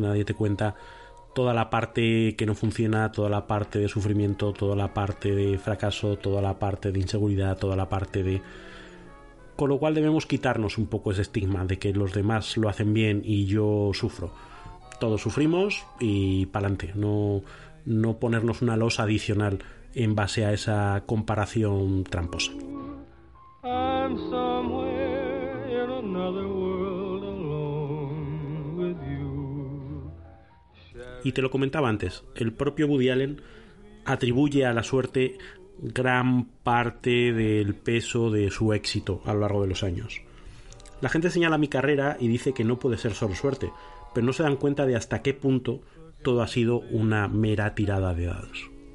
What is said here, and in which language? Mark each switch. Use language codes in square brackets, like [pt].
[es] Nadie te cuenta toda la parte que no funciona, toda la parte de sufrimiento, toda la parte de fracaso, toda la parte de inseguridad, toda la parte de... Con lo cual debemos quitarnos un poco ese estigma de que los demás lo hacen bien y yo sufro. Todos sufrimos y pa'lante, no ponernos una losa adicional en base a esa comparación tramposa. [en] I'm somewhere in another world alone with you. [es] Y te lo comentaba antes, el propio Woody Allen atribuye a la suerte gran parte del peso de su éxito a lo largo de los años. La gente señala mi carrera y dice que no puede ser solo suerte, pero no se dan cuenta de hasta qué punto todo ha sido una mera tirada de dados.